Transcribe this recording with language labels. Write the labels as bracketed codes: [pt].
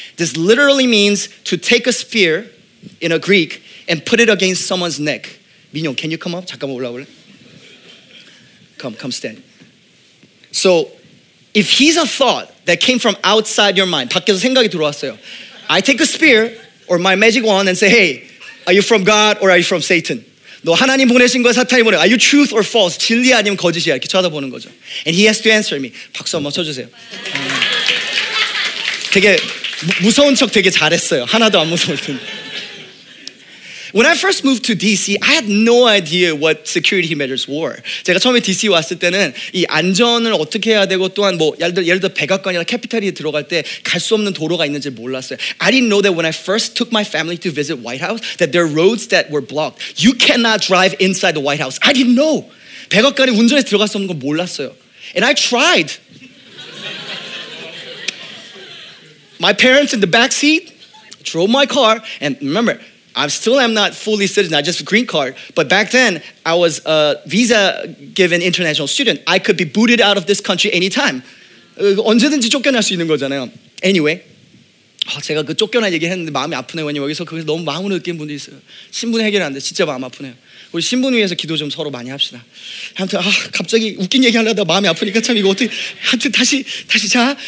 [en] This literally means to take a spear in a Greek and put it against someone's neck. 민용, can you come up? [ko] 잠깐만 올라올래? [en] Come stand. So, if he's a thought that came from outside your mind, [ko] 밖에서 생각이 들어왔어요. [en] I take a spear or my magic wand and say, hey, are you from God or are you from Satan? [ko] 너 하나님 보내신 거야, 사탄이 보내? [en] Are you truth or false? [ko] 진리 아니면 거짓이야? 이렇게 쳐다보는 거죠. [en] And he has to answer me. [ko] 박수 한번 쳐주세요. 되게 무서운 척 되게 잘했어요. 하나도 안 무서울 텐데. [en] When I first moved to DC, I had no idea what security measures were. [ko] 제가 처음에 DC 왔을 때는 이 안전을 어떻게 해야 되고 또한 뭐 예를 들어 백악관이나 캐피탈이 들어갈 때 갈 수 없는 도로가 있는지 몰랐어요. [en] I didn't know that when I first took my family to visit White House that there are roads that were blocked. You cannot drive inside the White House. I didn't know. [ko] 백악관에 운전해서 들어갈 수 없는 건 몰랐어요. [en] And I tried. My parents in the back seat drove my car, and remember, I still am not fully citizen, not just a green card, but back then, I was a visa-given international student. I could be booted out of this country anytime. [ko] 언제든지 쫓겨날 수 있는 거잖아요. Anyway, 제가 그 쫓겨난 얘기했는데 마음이 아프네요. 왜냐면 여기서 거기서 너무 마음을 느낀 분들이 있어요. 신분 해결 안 돼. 진짜 마음 아프네요. 우리 신분 위해서 기도 좀 서로 많이 합시다. 아무튼 갑자기 웃긴 얘기 하려다 마음이 아프니까 참 이거 어떻게 아무튼 다시 자.